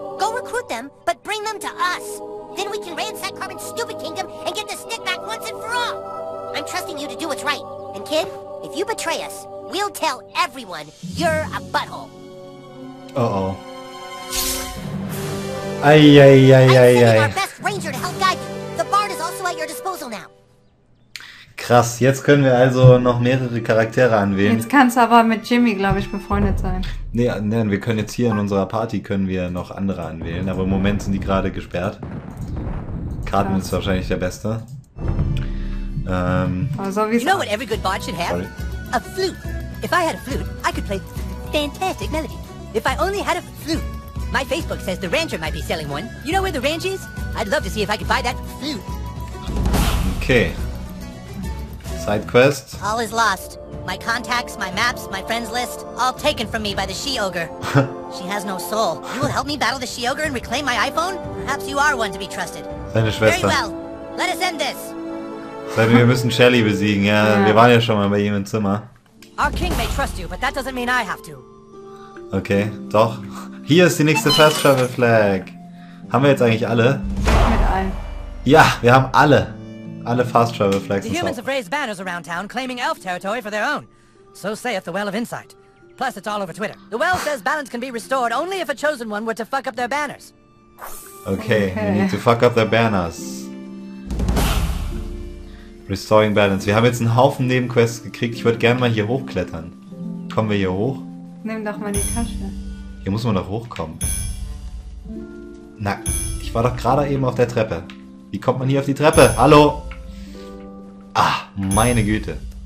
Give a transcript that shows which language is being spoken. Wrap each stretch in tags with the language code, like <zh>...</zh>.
<en>Go recruit them, but bring them to us. Then we can ransack Carbon's stupid kingdom and get the stick back once and for all. I'm trusting you to do what's right. And kid, if you betray us, we'll tell everyone you're a butthole. Uh-oh. Ay. I'm sending our best ranger to help guide you. The bard is also at your disposal now.</en> <de>Krass, jetzt können wir also noch mehrere Charaktere anwählen. Jetzt kannst du aber mit Jimmy, glaube ich, befreundet sein. Nein, wir können jetzt hier in unserer Party können wir noch andere anwählen, aber im Moment sind die gerade gesperrt. Cartman ist wahrscheinlich der Beste. Also, wie</de> <en>you know what every good bard should have? A flute. If I had a flute, I could play fantastic melody. If I only had a flute. My Facebook says the Ranger might be selling one. You know where the Ranger is? I'd love to see if I could buy that flute. Okay. Sidequest. All is lost. My contacts, my maps, my friends list, all taken from me by the She-Ogre. She has no soul. You will help me battle the She-Ogre and reclaim my iPhone? Perhaps you are one to be trusted.</en> <de>Seine Schwester.</de> <en>Very well. Let us end this.</en> <de>Seine, wir müssen Shelly besiegen, ja. Wir waren ja schon mal bei ihm im Zimmer.</de> <en>Our king may trust you, but that doesn't mean I have to.</en> <de>Okay, doch. Hier ist die nächste Fast Travel Flag. Haben wir jetzt eigentlich alle? Mit allen. Ja, wir haben alle. Alle Fast Travel Flags.</de> <en>The humans have raised banners around town claiming elf territory for their own. So saith the Well of Insight. Plus it's all over Twitter. The Well says balance can be restored only if a chosen one were to fuck up their banners. Okay, we need to fuck up their banners. Restoring balance.</en> <de>Wir haben jetzt einen Haufen Nebenquests gekriegt. Ich würde gerne mal hier hochklettern. Kommen wir hier hoch? Nimm doch mal die Tasche. Hier muss man doch hochkommen. Na, ich war doch gerade eben auf der Treppe. Wie kommt man hier auf die Treppe? Hallo? Ah, meine Güte.</de>